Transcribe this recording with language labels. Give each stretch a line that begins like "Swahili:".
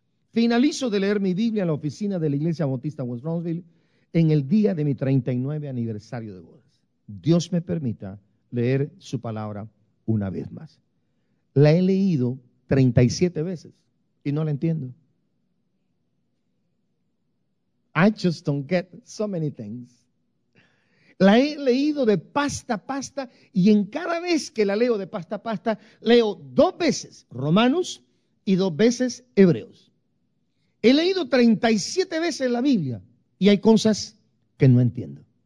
Spanish: Finalizo de leer mi Biblia en la oficina de la Iglesia Bautista West Bronzeville en el día de mi 39 aniversario de bodas. Dios me permita leer su palabra una vez más. La he leído 37 veces y no la entiendo.
English: I just don't get so many things.
Spanish: La he leído de pasta a pasta y en cada vez que la leo de pasta a pasta, leo dos veces Romanos y dos veces Hebreos. He leído 37 veces la Biblia y hay cosas que no entiendo.